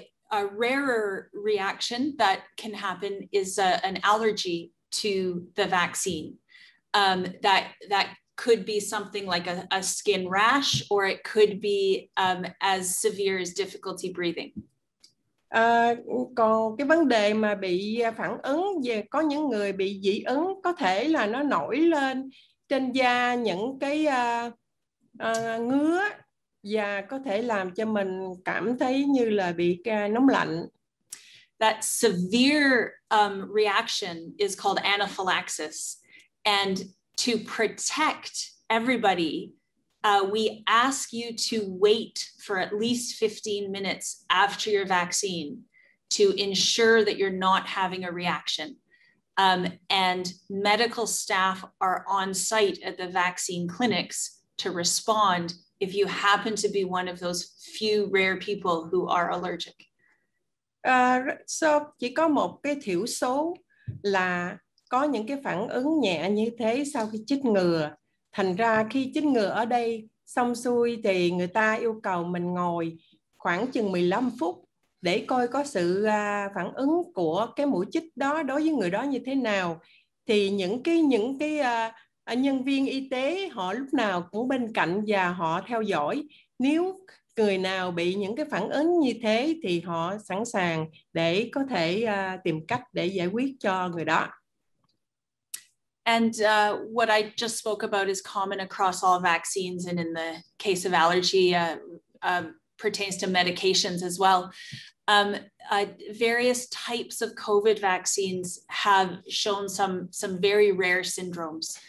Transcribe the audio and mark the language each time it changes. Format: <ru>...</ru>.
<en>A rarer reaction that can happen is an allergy to the vaccine. That could be something like a skin rash, or it could be as severe as difficulty breathing.</en> <vi>Còn cái vấn đề mà bị phản ứng về, có những người bị dị ứng, có thể là nó nổi lên trên da những cái ngứa. Và có thể làm cho mình cảm thấy như là bị nóng lạnh.</vi> <en>That severe reaction is called anaphylaxis. And to protect everybody, we ask you to wait for at least 15 minutes after your vaccine to ensure that you're not having a reaction. And medical staff are on site at the vaccine clinics to respond if you happen to be one of those few rare people who are allergic.</en> <vi>So chỉ có một cái thiểu số là có những cái phản ứng nhẹ như thế sau khi chích ngừa. Thành ra khi chích ngừa ở đây xong xuôi thì người ta yêu cầu mình ngồi khoảng chừng 15 phút để coi có sự phản ứng của cái mũi chích đó đối với người đó như thế nào. Thì những cái nhân viên y tế họ lúc nào cũng bên cạnh và họ theo dõi. Nếu người nào bị những cái phản ứng như thế thì họ sẵn sàng để có thể tìm cách để giải quyết cho người đó.</vi> <en>And what I just spoke about is common across all vaccines, and in the case of allergy, pertains to medications as well. Various types of COVID vaccines have shown some very rare syndromes.</en>